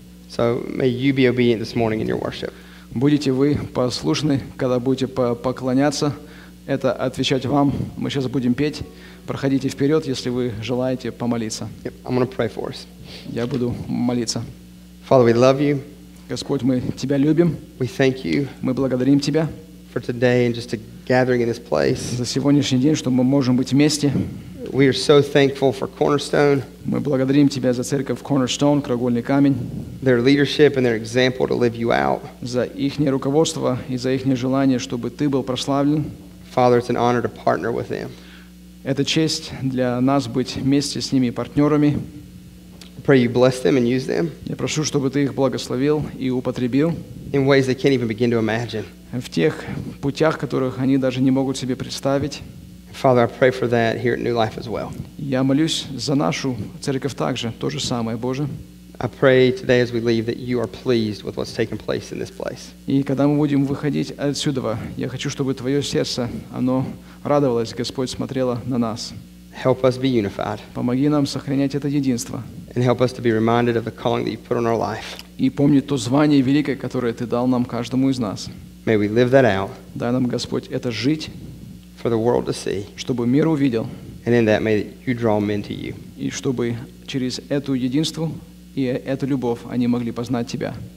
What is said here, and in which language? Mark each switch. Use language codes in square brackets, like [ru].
[en] So may you be obedient this morning in your worship. [ru] Будете вы послушны, когда будете поклоняться, это отвечать вам. Мы сейчас будем петь. Проходите вперед, если вы желаете помолиться. [en] Yep, I'm going to pray for us. [ru] Я буду молиться. [en] Father, we love you. [ru] Господь, мы тебя любим. [en] We thank you. [ru] Мы благодарим тебя. [en] For today and just a gathering in this place. [ru] За сегодняшний день, что мы можем быть вместе. [en] We are so thankful for Cornerstone. [ru] Мы благодарим тебя за церковь Cornerstone, краеугольный камень. [en] Their leadership and their example to live you out. [ru] За ихнее руководство и за ихнее желание, чтобы ты был прославлен. [en] Father, it's an honor to partner with them. [ru] Это честь для нас быть вместе с ними партнерами. [en] Pray you bless them and use them. [ru] Я прошу, чтобы ты их благословил и употребил. [en] In ways they can't even begin to imagine. [ru] В тех путях, которых они даже не могут себе представить. [en] Father, I pray for that here at New Life as well. [ru] Я молюсь за нашу церковь также, то же самое, Боже. [en] I pray today as we leave that you are pleased with what's taking place in this place. [ru] И когда мы будем выходить отсюда, я хочу, чтобы твое сердце, оно радовалось, Господь, смотрело на нас. [en] Help us be unified. [ru] Помоги нам сохранять это единство. [en] And help us to be reminded of the calling that you put on our life. [ru] И помни то звание великое, которое ты дал нам каждому из нас. [en] May we live that out. [ru] Дай нам, Господь, это жить. [en] For the world to see. [ru] Чтобы мир увидел. [en] And in that, may you draw men to you. [ru] И чтобы через эту единство и эту любовь они могли познать тебя.